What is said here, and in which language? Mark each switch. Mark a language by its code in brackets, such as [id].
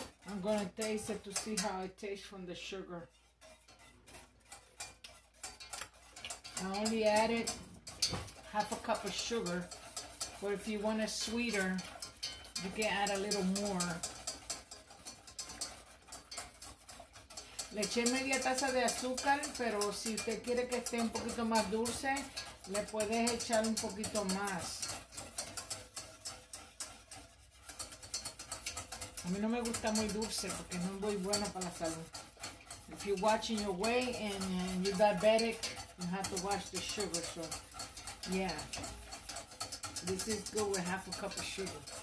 [en] I'm gonna taste it to see how it tastes from the sugar. I only added 1/2 cup of sugar, but if you want it sweeter, you can add a little more. [es] Le eché media taza de azúcar, pero si usted quiere que esté un poquito más dulce, le puedes echar un poquito más. A mí no me gusta muy dulce porque no es muy bueno para la salud. [en] If you're watching your weight and you're diabetic, you have to watch the sugar. So, yeah. This is good with 1/2 cup of sugar.